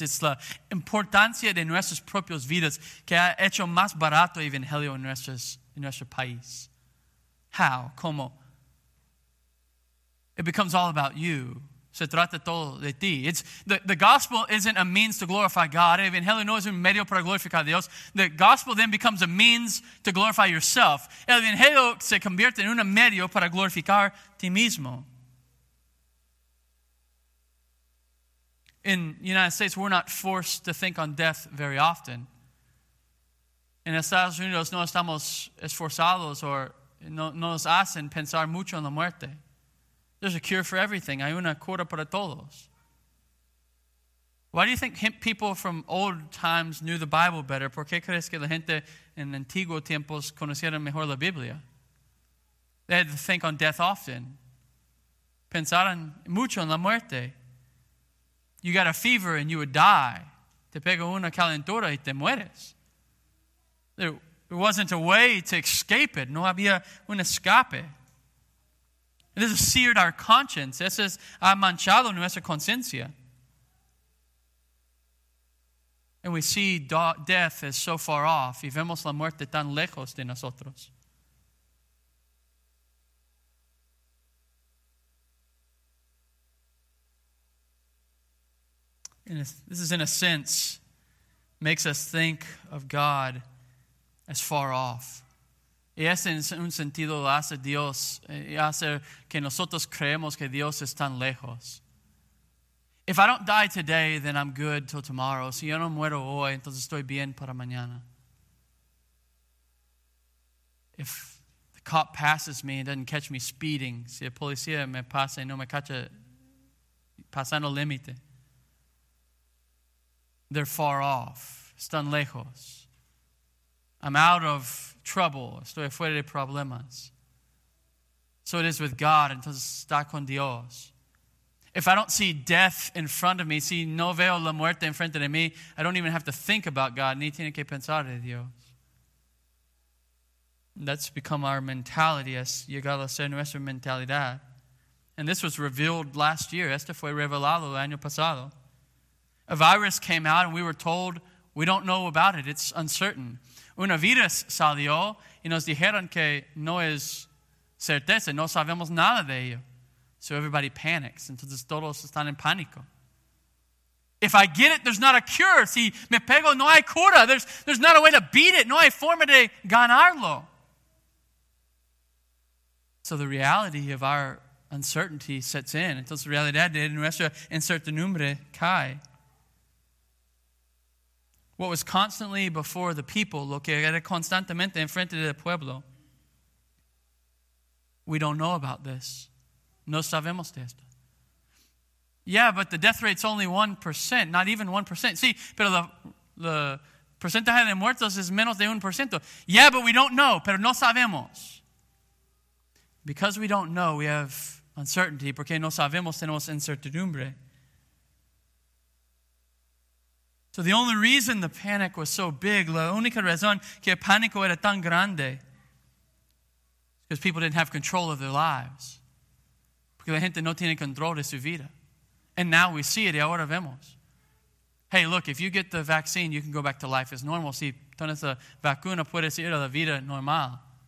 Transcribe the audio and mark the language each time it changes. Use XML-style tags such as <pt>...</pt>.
<es>It's la importancia de nuestras propias vidas que ha hecho más barato el evangelio en nuestro país.</es> <en>How?</en> <es>Como?</es> <en>It becomes all about you.</en> <es>Se trata todo de ti.</es> <en>It's the gospel isn't a means to glorify God.</en> <es>El evangelio no es un medio para glorificar a Dios.</es> <en>The gospel then becomes a means to glorify yourself.</en> <es>El evangelio se convierte en un medio para glorificar ti mismo.</es> <en>In the United States, we're not forced to think on death very often.</en> <es>En Estados Unidos no estamos esforzados o no nos hacen pensar mucho en la muerte.</es> <en>There's a cure for everything.</en> <es>Hay una cura para todos.</es> <en>Why do you think people from old times knew the Bible better?</en> <es>¿Por qué crees que la gente en antiguos tiempos conocieron mejor la Biblia?</es> <en>They had to think on death often.</en> <es>Pensaron mucho en la muerte.</es> <en>You got a fever and you would die.</en> <es>Te pega una calentura y te mueres.</es> <en>There wasn't a way to escape it.</en> <es>No había un escape.</es> <en>It has seared our conscience.</en> <es>Eso es, ha manchado nuestra conciencia.</es> <en>And we see death as so far off.</en> <es>Y vemos la muerte tan lejos de nosotros.</es> <en>And this is, in a sense, makes us think of God as far off.</en> <es>Y ese en un sentido lo hace Dios, hace que nosotros creemos que Dios es tan lejos.</es> <en>If I don't die today, then I'm good till tomorrow.</en> <es>Si yo no muero hoy, entonces estoy bien para mañana.</es> <en>If the cop passes me and doesn't catch me speeding,</en> <es>si el policía me pasa y no me cacha pasando el límite,</es> <en>they're far off,</en> <es>están lejos.</es> <en>I'm out of trouble,</en> <es>estoy fuera de problemas.</es> <en>So it is with God,</en> <es>entonces está con Dios.</es> <en>If I don't see death in front of me,</en> <es>si no veo la muerte en frente de mí,</es> <en>I don't even have to think about God,</en> <es>ni tiene que pensar de Dios.</es> <en>That's become our mentality,</en> <es>es llegado a ser nuestra mentalidad.</es> <en>And this was revealed last year,</en> <es>esto fue revelado el año pasado.</es> <en>A virus came out and we were told, we don't know about it, it's uncertain.</en> <es>Un virus salió y nos dijeron que no es certeza, no sabemos nada de ello.</es> <en>So everybody panics,</en> <es>entonces todos están en pánico.</es> <en>If I get it, there's not a cure.</en> <es>Si me pego, no hay cura.</es> <en>There's not a way to beat it.</en> <es>No hay forma de ganarlo.</es> <en>So the reality of our uncertainty sets in.</en> <es>Entonces la realidad de nuestra incertidumbre cae.</es> <en>What was constantly before the people,</en> <es>lo que era constantemente en frente del pueblo.</es> <en>We don't know about this.</en> <es>No sabemos de esto.</es> <en>Yeah, but the death rate's only 1%, not even 1%.</en> <es>Sí, pero la porcentaje de muertos es menos de 1%.</es> <en>Yeah, but we don't know,</en> <es>pero no sabemos.</es> <en>Because we don't know, we have uncertainty.</en> <es>Porque no sabemos, tenemos incertidumbre.</es> <en>So the only reason the panic was so big,</en> <es>la única razón que el pánico era tan grande,</es> <en>because people didn't have control of their lives.</en> <es>Porque la gente no tiene control de su vida.</es> <en>And now we see it,</en> <es>y ahora vemos.</es> <en>Hey, look, if you get the vaccine, you can go back to life as normal.</en> <es>Si tienes la vacuna, puedes ir a la vida normal.</es>